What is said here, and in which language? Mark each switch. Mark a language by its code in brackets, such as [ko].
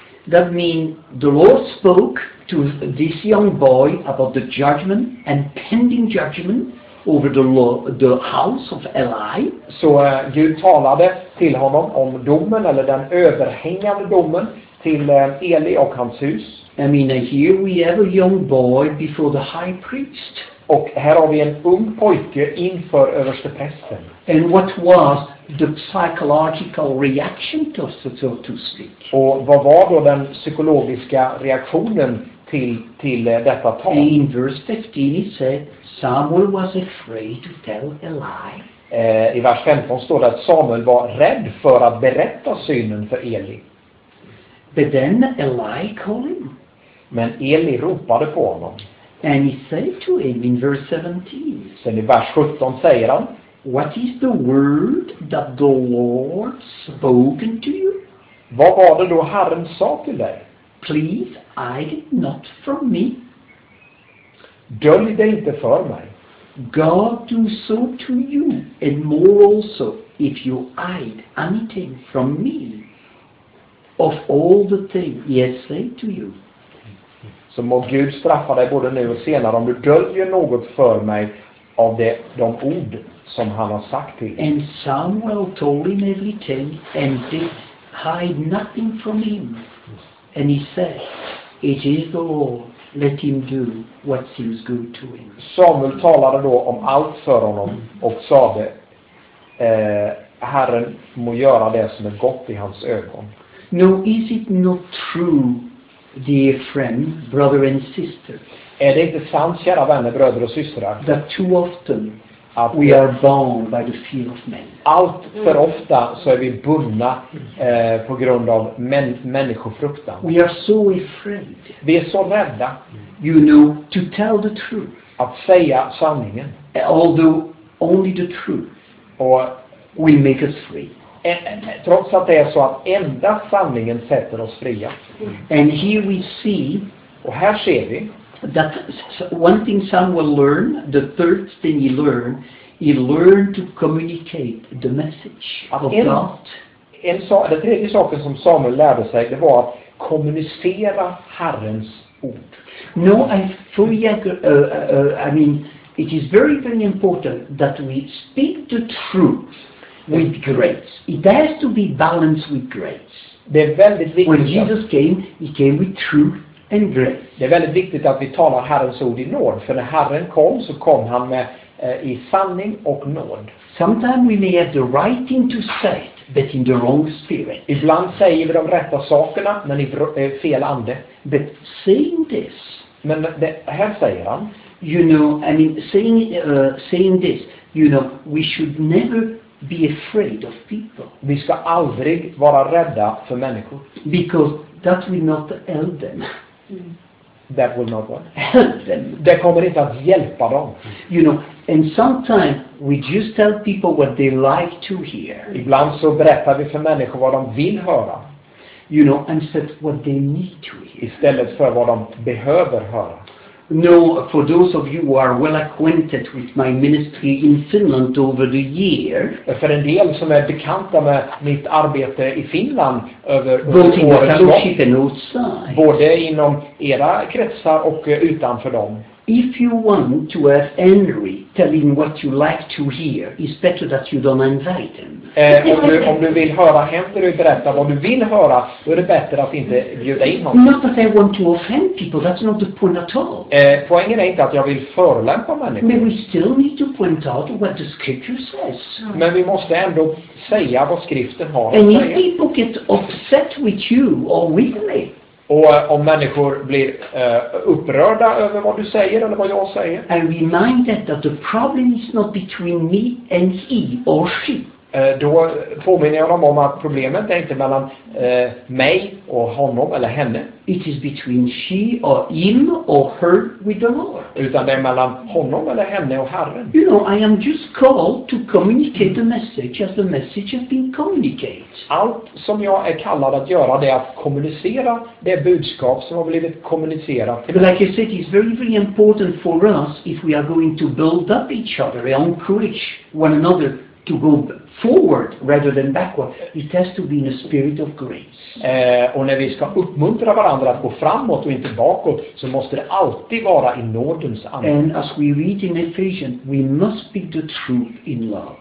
[en] That means the Lord spoke to this young boy about the judgment and pending judgment over the house of Eli. [sv] Så Gud talade till honom om domen, eller den överhängande domen till Eli och hans hus. [en] I mean, here we have a young boy before the high priest. [sv] Och här har vi en ung pojke inför översteprästen. [en] And what was the psychological reaction to, so to speak? [sv] Och vad var då den psykologiska reaktionen till detta tal? [en] In verse 15 he said Samuel was afraid to tell Eli. [sv] I vers 15 står det att Samuel var rädd för att berätta synen för Eli. [en] But then Eli called him. [sv] Men Eli ropade på honom. [en] And he said to him in verse 17. [sv] Sen i vers 17 säger han: [en] What is the word that the Lord spoken to you? [sv] Vad var det då Herren sa till dig? [en] Please hide it not from me. [sv] Dölj det inte för mig. [en] God do so to you and more also if you hide anything from me of all the things he has said to you. [sv] Så må Gud straffa dig både nu och senare om du döljer något för mig av de ord som han har sagt till dig. [en] And Samuel told him everything and did hide nothing from him. And he said, it is the Lord, let him do what seems good to him. [sv] Samuel talade då om allt för honom och sa det, Herren må göra det som är gott i hans ögon. [en] No, is it not true, dear friend, brother and sister? [sv] Är det inte sant, kära vänner, bröder och systrar? [en] That too often we are bound by the fear of men. [sv] Allt för ofta så är vi bundna på grund av människofruktan. [en] We are so afraid. [sv] Vi är så rädda. [en] You know, to tell the truth. [sv] Att säga sanningen. [en] Although only the truth will make us free. [sv] Trots att det är så att enda sanningen sätter oss fria. [en] And here we see. [sv] Och här ser vi. [en] That one thing Samuel learned, the third thing he learned to communicate the message of God. [sv] Den tredje saken som Samuel lärde sig, det var att kommunicera Herrens ord. [en] No, I fully agree. I mean, it is very, very important that we speak the truth with grace. It has to be balanced with grace. [sv] Det är väldigt viktigt. [en] When Jesus came, he came with truth. [sv] Det är väldigt viktigt att vi talar Herrens ord i nåd, för när Herren kom så kom han med i sanning och nåd. [en] Sometimes we may have the right thing to say, but in the wrong spirit. [sv] Ibland säger vi de rätta sakerna, men i fel ande. [en] But saying this, [sv] men det, här säger han, [en] you know, I mean, saying this, you know, we should never be afraid of people. [sv] Vi ska aldrig vara rädda för människor. [en] Because that will not help them. That will not what? Help them. [sv] Det kommer inte att hjälpa dem. [en] You know, and sometimes we just tell people what they like to hear. [sv] Ibland så berättar vi för människor vad de vill höra. [en] You know, instead what they need to hear. [sv] Istället för vad de behöver höra. [en] No, for those of you who are well acquainted with my ministry in Finland over the year. [sv] För en del som är bekanta med mitt arbete i Finland över året. [en] Both in the fellowship and outside. [sv] Både inom era kretsar och utanför dem. [en] If you want to have Henry telling what you like to hear, it's better that you don't invite him. [sv] Om du vill höra Henry berätta vad du vill höra, då är det bättre att inte bjuda in honom. [en] Not that I want to offend people, that's not the point at all. [sv] Poängen är inte att jag vill förolämpa människor. [en] But we still need to point out what the scripture says. [sv] Men vi måste ändå säga vad skriften har att säga. [en] And if people get upset with you or with me, [sv] och om människor blir upprörda över vad du säger eller vad jag säger. [en] I remind them that the problem is not between me and he or she. [sv] Då påminner jag dem om att problemet är inte mellan mig och honom eller henne. [en] It is between she or him or her with the Lord. [sv] Utan det är mellan honom eller henne och Herren. [en] You know, I am just called to communicate the message as the message has been communicated. [sv] Allt som jag är kallad att göra det är att kommunicera det budskap som har blivit kommunicerat till mig. [en] But like you said, it's very, very important for us if we are going to build up each other and encourage one another to go forward rather than backward. It has to be in a spirit of grace. [sv] Och när vi ska uppmuntra varandra att gå framåt och inte bakåt, så måste det alltid vara i nådens ande. [en] And as we read in Ephesians, we must speak the truth in love.